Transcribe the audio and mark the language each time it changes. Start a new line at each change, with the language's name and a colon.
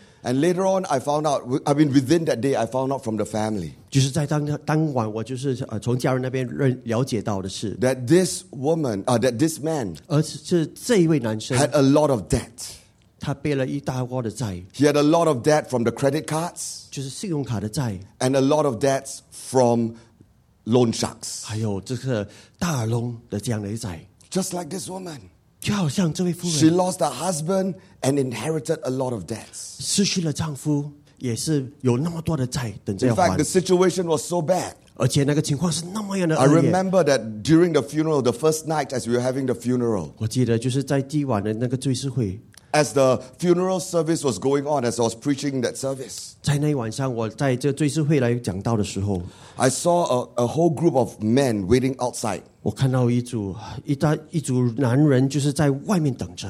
English: And later on, within that day, I found out from the family.
Chinese: 就是在当晚，我就是从家人那边了解到的是
English: that this woman, that this man,
Chinese: 而是这一位男生
English: had a lot of debt.
Chinese: 他背了一大窝的债。
English: He had a lot of debt from the credit cards，
Chinese: 就是信用卡的债。
English: And a lot of debts from loan sharks，
Chinese: 还有这个大耳窿的这样的债。
English: Just like this woman，
Chinese: 就好像这位夫人。
English: She lost her husband and inherited a lot of debts，
Chinese: 失去了丈夫，也是有那么多的债等着要还。
English: In fact, the situation was so bad。
Chinese: 而且那个情况是那么样的恶劣。
English: I remember that during the funeral, the first night as we were having the funeral，
Chinese: 我记得就是在第一晚的那个追思会。
English: As the funeral service was going on, as I was preaching that service,
Chinese: 在那一晚上，我在这追思会来讲道的时候
English: ，I saw a whole group of men waiting outside.
Chinese: 我看到一组男人就是在外面等着。